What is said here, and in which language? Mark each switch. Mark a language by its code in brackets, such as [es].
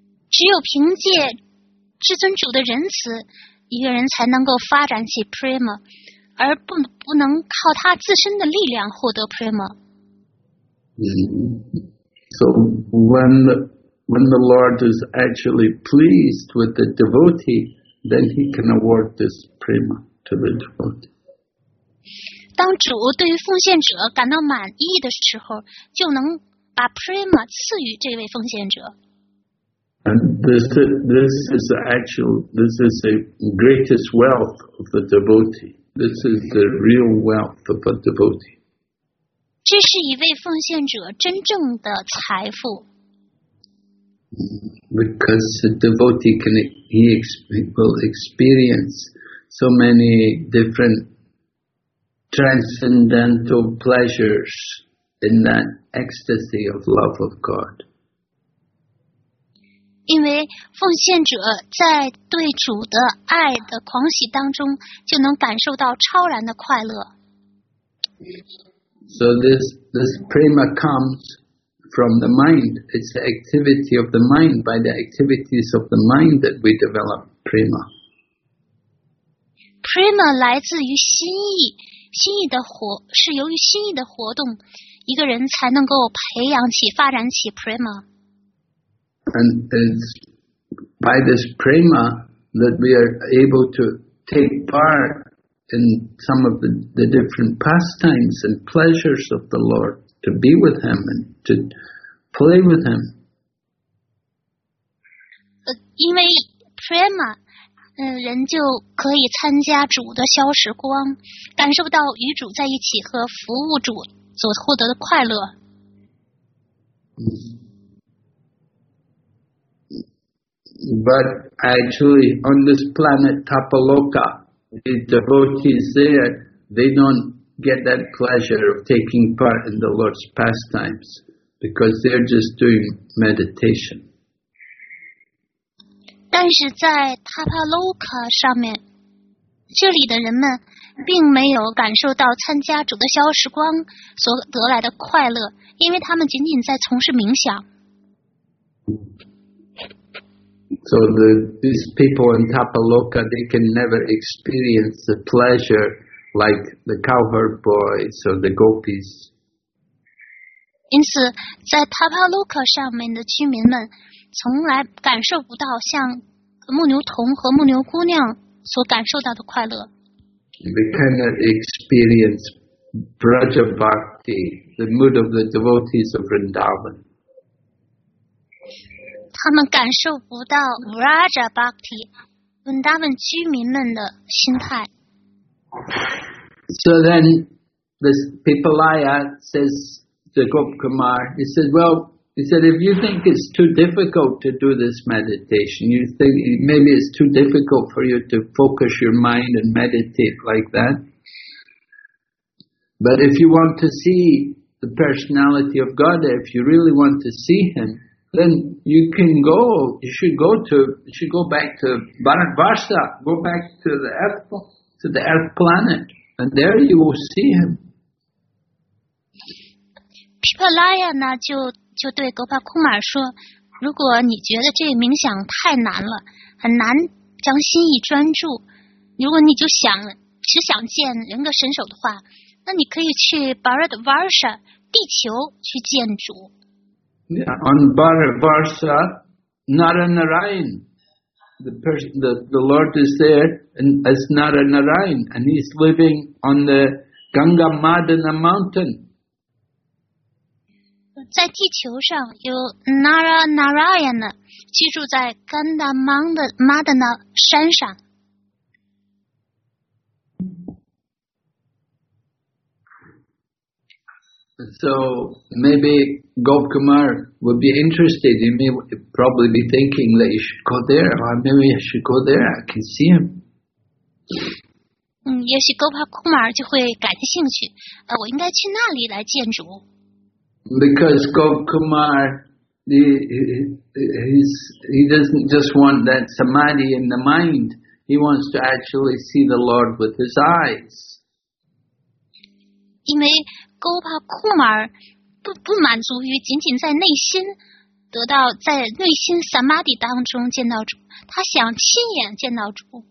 [zh] 只有凭借至尊主的仁慈，一个人才能够发展起 prema， 而不能靠他自身的力量获得 prema。 [en] So when the Lord is actually pleased with the devotee, then he can award this prema to the devotee. [zh] 当主对于奉献者感到满意的时候，就能把 prema 赐予这位奉献者。 [en] And this is the greatest wealth of the devotee. This is the real wealth of a devotee. [zh] 这是一位奉献者真正的财富。 [en] Because the devotee will experience so many different. Transcendental pleasures in that ecstasy of love of God. [zh] 因为奉献者在对主的爱的狂喜当中，就能感受到超然的快乐。 [en] So this prema comes from the mind. It's the activity of the mind. By the activities of the mind that we develop prema. [zh] Prema 来自于心意。心意的活是由于心意的活动，一个人才能够培养起、发展起 prema。 [en] And it's by this prema that we are able to take part in some of the different pastimes and pleasures of the Lord, to be with Him and to play with Him. [zh] 因为 prema。人就可以参加主的消时光，感受到与主在一起和服务主所获得的快乐。 [en] But actually, on this planet Tapaloka, the devotees there, they don't get that pleasure of taking part in the Lord's pastimes because they're just doing meditation. [zh] 但是在塔帕洛卡上面，这里的人们并没有感受到参加主的消时光所得来的快乐，因为他们仅仅在从事冥想。 [en] So these people in Tapaloka, they can never experience the pleasure like the cowherd boys or the gopis. [zh] 因此，在塔帕洛卡上面的居民们。从来感受不到像牧牛童和牧牛姑娘所感受到的快乐。 [en] We cannot experience Braja Bhakti, the mood of the devotees of Vrindavan. [zh] 他们感受不到 Braja Bhakti, Vrindavan 居民们的心态。 [en] So then, this Pipalaya says to Gop Kumar, he says, well,He said, if you think it's too difficult to do this meditation, you think maybe it's too difficult for you to focus your mind and meditate like that. But if you want to see the personality of God, if you really want to see Him, then you can go, you should go back to Bharatvarsha, go back to the earth planet, and there you will see Him. [zh] Pipalaya 呢就对格帕库马说，如果你觉得这冥想太难了，很难将心意专注，如果你就想只想见人格神手的话，那你可以去 Bharat Varsha 地球去见主。 [en] Yeah, on Bharat Varsha, Naranarayan, the Lord is there as Naranarayan, and he's living on the Ganga Madana mountain. [zh] 在地球上有 Naranarayan 居住在 Ganga Madana 山上。 [en] So maybe Gop Kumar would be interested. He may probably be thinking that you should go there, or maybe I should go there. I can see him. [zh] 也许 Gop Kumar 就会感兴趣。我应该去那里来见主。 [en] Because Gop Kumar, he doesn't just want that samadhi in the mind. He wants to actually see the Lord with his eyes. [zh] 因为高帕库马尔 不满足于仅仅在内心得到在内心萨玛迪当中见到主，他想亲眼见到主。